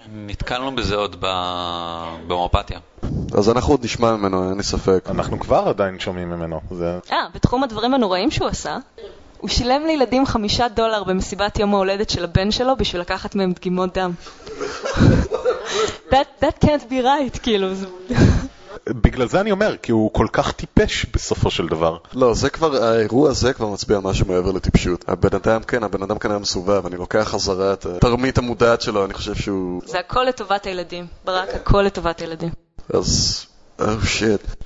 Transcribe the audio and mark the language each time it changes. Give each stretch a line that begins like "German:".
Hebrew: נתקלנו בזה עוד במופתיה. אז אנחנו עוד נשמע ממנו, אין לי ספק. אנחנו כבר עדיין שומעים ממנו. בתחום הדברים הנוראים שהוא עשה, הוא שילם לילדים $5 במסיבת יום ההולדת של הבן שלו בשביל לקחת מהם דגימות דם.
English: That can't be right,
Hebrew: כאילו. בגלל זה אני אומר, כי הוא כל כך טיפש בסופו של דבר. לא, זה כבר, האירוע הזה כבר מצביע משהו מעבר לטיפשות. הבן אדם כן, הבן אדם כאן היה מסובב, אני לוקח חזרה את התרמית המודעת שלו, אני חושב שהוא... זה הכל לטובת הילדים, ברק, הכל לטובת הילדים. אז, אוו שיט.